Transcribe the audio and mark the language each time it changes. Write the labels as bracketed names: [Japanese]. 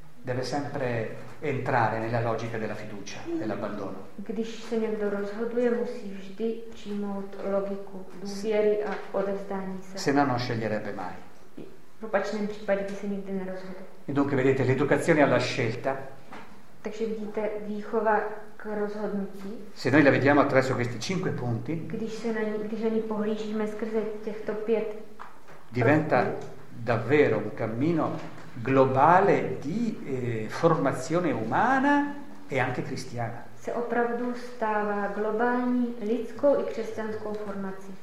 [Italian] deve sempre entrare nella logica della fiducia, dell'abbandono. [Czech] Když se někdo rozhoduje, musí vždy přijmout logiku důvěry a odevzdání se. [Italian] Se no, non sceglierebbe mai. [Czech] V opačném případě by se nikdy nerozhodl. [Italian] E dunque vedete, l'educazione alla scelta. [Czech] Takže vidíte, výchova k rozhodnutí. [Italian] Se noi la vediamo attraverso questi cinque punti, [Czech] když na ní pohlížíme skrze těchto pět, [Italian] diventa davvero un cammino globale di formazione umana e anche cristiana. [Czech] Se opravdu stává globální lidskou i křesťanskou formací.